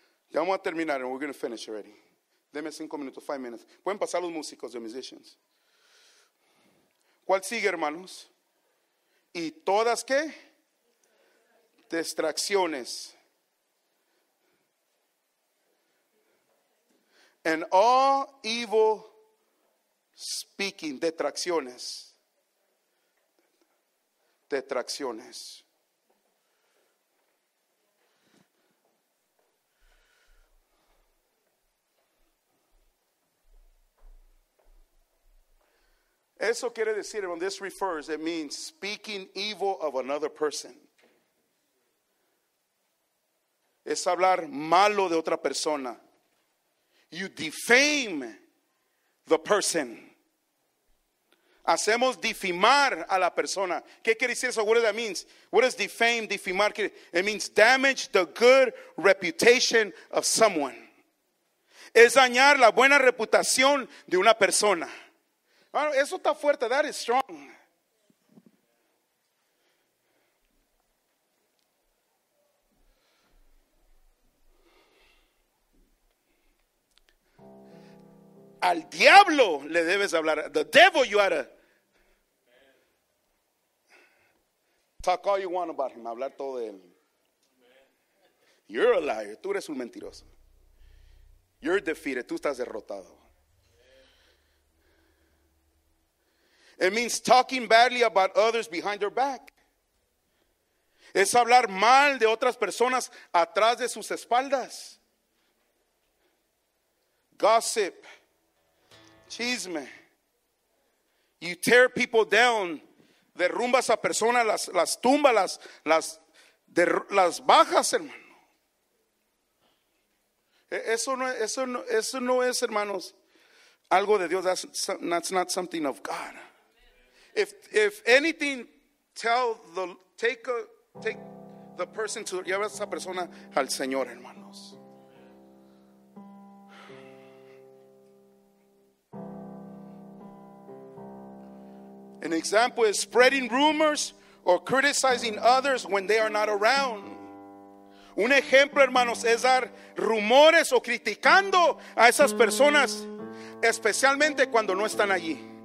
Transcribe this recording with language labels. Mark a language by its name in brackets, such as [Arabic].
[Spanish] Ya vamos a terminar, [English] and we're going to finish already. Deme 5 minutes, 5 minutes. [Spanish] Pueden pasar los músicos, [English] the musicians. [Spanish] ¿Cuál sigue, hermanos? ¿Y todas qué? Distracciones. [English] And all evil speaking, detracciones. [Spanish] Detracciones. Eso quiere decir, [English] when this refers, it means speaking evil of another person. [Spanish] Es hablar malo de otra persona. [English] You defame the person. [Spanish] Hacemos difamar a la persona. ¿Qué quiere decir eso? [English] What does that mean? What does defame, difamar? It means damage the good reputation of someone. [Spanish] Es dañar la buena reputación de una persona. Eso está fuerte. [English] That is strong. [Spanish] Al diablo le debes hablar. [English] The devil you are. Talk all you want about him. [Spanish] Hablar todo de él. [English] You're a liar. [Spanish] Tú eres un mentiroso. [English] You're defeated. [Spanish] Tú estás derrotado. [English] It means talking badly about others behind their back. [Spanish] Es hablar mal de otras personas atrás de sus espaldas. [English] Gossip. Chisme. You tear people down. [Spanish] Derrumbas a personas, las tumbas, las bajas, hermano. Eso no es, hermanos, algo de Dios. [English] That's not something of God. If anything, take the person to, [Spanish] lleva a esa persona al Señor, hermanos. [English] An example is spreading rumors or criticizing others when they are not around. [Spanish] Un ejemplo, hermanos, es dar rumores o criticando a esas personas, especialmente cuando no están allí.